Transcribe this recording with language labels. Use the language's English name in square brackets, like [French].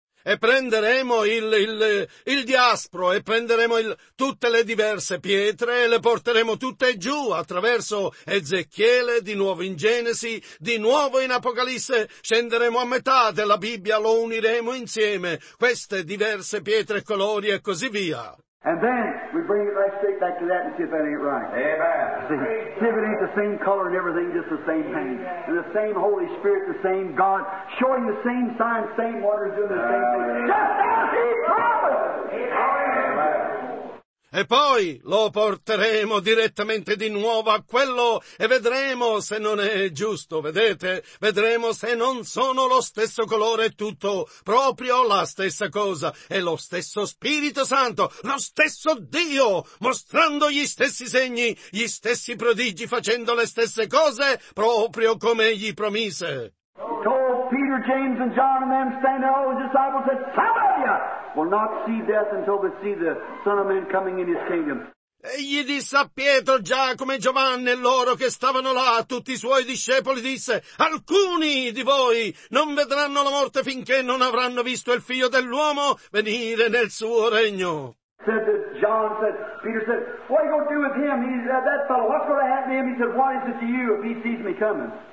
[Italian] E prenderemo il diaspro, e prenderemo tutte le diverse pietre, e le porteremo tutte giù attraverso Ezechiele, di nuovo in Genesi, di nuovo in Apocalisse, scenderemo a metà della Bibbia, lo uniremo insieme, queste diverse pietre e colori e così via. [English] And then we bring it right straight back to that and see if that ain't right. Amen. See if it ain't the same color and everything, just the same thing. Amen. And the same Holy Spirit, the same God, showing the same signs, same wonders, doing the same thing. Just as He promised! Amen. Amen. [Italian] E poi lo porteremo direttamente di nuovo a quello e vedremo se non è giusto, vedete? Vedremo se non sono lo stesso colore, tutto proprio la stessa cosa. È lo stesso Spirito Santo, lo stesso Dio, mostrando gli stessi segni, gli stessi prodigi, facendo le stesse cose proprio come gli promise. [English] Peter, James and John and them standing all the disciples said, some of you will not see death until they see the Son of Man coming in His kingdom. [Italian] E gli disse a Pietro, Giacomo e Giovanni e loro che stavano là, tutti i suoi discepoli, disse, alcuni di voi non vedranno la morte finché non avranno visto il Figlio dell'uomo venire nel suo regno. [English] Said that John said, Peter said, what are you going to do with him? He said, that fellow, what's going to happen to him? He said, what is it to you if he sees me coming?